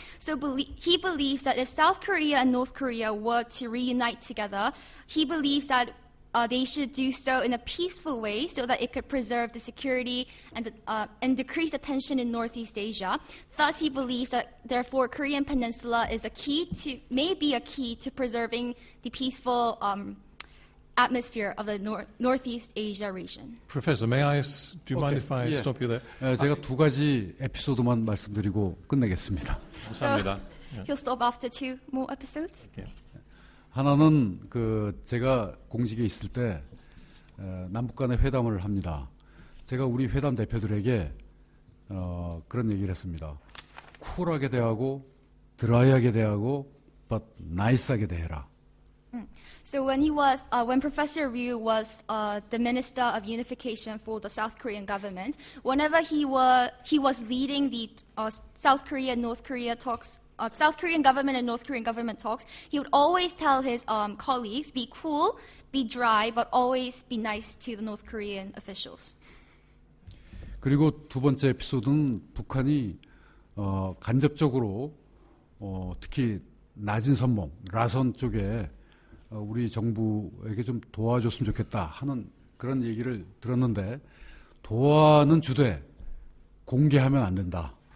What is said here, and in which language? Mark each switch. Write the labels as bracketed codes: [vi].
[en] So he believes that if South Korea and North Korea were to reunite together, he believes that they should do so in a peaceful way so that it could preserve the security and decrease the tension in Northeast Asia. Thus, he believes that, therefore, Korean Peninsula is a key to, may be a key to preserving the peaceful atmosphere of the Northeast Asia region. Professor, may I? Do you mind if I stop you there? [ko] 제가 두 가지 에피소드만 말씀드리고 끝내겠습니다. 감사합니다. [en] He'll stop after two more episodes. [ko] 하나는 그 제가 공직에 있을 때 남북 간의 회담을 합니다. 제가 우리 회담 대표들에게 그런 얘기를 했습니다. 쿨하게 대하고 드라이하게 대하고 [en] but [ko] 나이스하게 대해라. [en] So when he was when Professor Ryu was the Minister of Unification for the South Korean government, whenever he was leading the South Korea North Korea talks South Korean government and North Korean government talks, he would always tell his colleagues be cool, be dry, but always be nice to the North Korean officials. [ko] 그리고 두 번째 에피소드는 북한이 간접적으로 특히 낮은 선봉 라선 쪽에 우리 정부에게 좀 도와줬으면 좋겠다 하는 그런 얘기를 들었는데 도와는 주되 공개하면 안 된다.